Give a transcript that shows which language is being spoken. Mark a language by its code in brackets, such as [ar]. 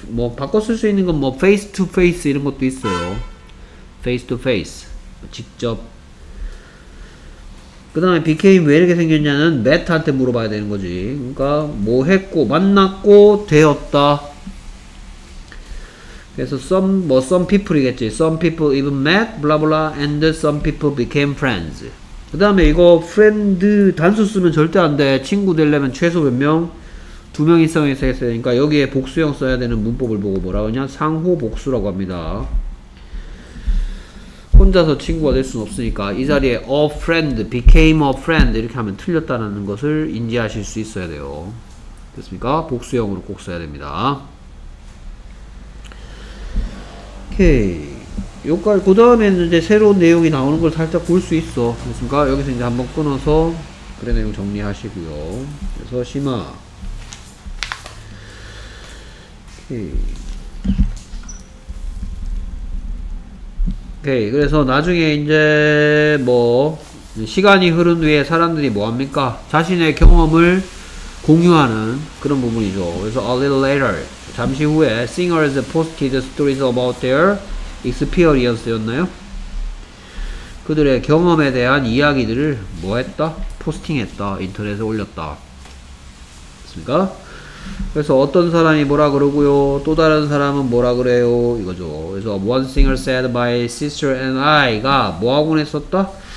[ko] 뭐 바꿔 쓸 수 있는 건 뭐 face to face 이런 것도 있어요. face to face 직접. 그 다음에 became 왜 이렇게 생겼냐는 met한테 물어봐야 되는 거지. 그러니까 뭐 했고 만났고 되었다. 그래서 some 뭐 some people이겠지. [en] some people even met blah blah and some people became friends. [ko] 그 다음에 이거 friend 단수 쓰면 절대 안 돼. 친구 되려면 최소 몇 명? 두 명 이상이 써야 되니까 여기에 복수형 써야 되는 문법을 보고 뭐라 그러냐? 상호 복수라고 합니다. 혼자서 친구가 될 수는 없으니까 이 자리에 a friend, became a friend 이렇게 하면 틀렸다는 것을 인지하실 수 있어야 돼요. 됐습니까? 복수형으로 꼭 써야 됩니다. 오케이. 요까지, 그 다음에는 이제 새로운 내용이 나오는 걸 살짝 볼 수 있어. 됐습니까? 여기서 이제 한번 끊어서 글의 내용 정리하시고요. 그래서 심화. 오케이. 오케이. 그래서 나중에 이제 뭐 시간이 흐른 후에 사람들이 뭐 합니까? 자신의 경험을 공유하는 그런 부분이죠. 그래서 [en] a little later. [ko] 잠시 후에 [en] singers posted stories about their experience였나요? [ko] 그들의 경험에 대한 이야기들을 뭐 했다? 포스팅했다. 인터넷에 올렸다. 됐습니까? 그래서 어떤 사람이 뭐라 그러고요? 또 다른 사람은 뭐라 그래요? 이거죠. 그래서 [en] one singer said my sister and I [ko] 가 뭐하곤 했었다?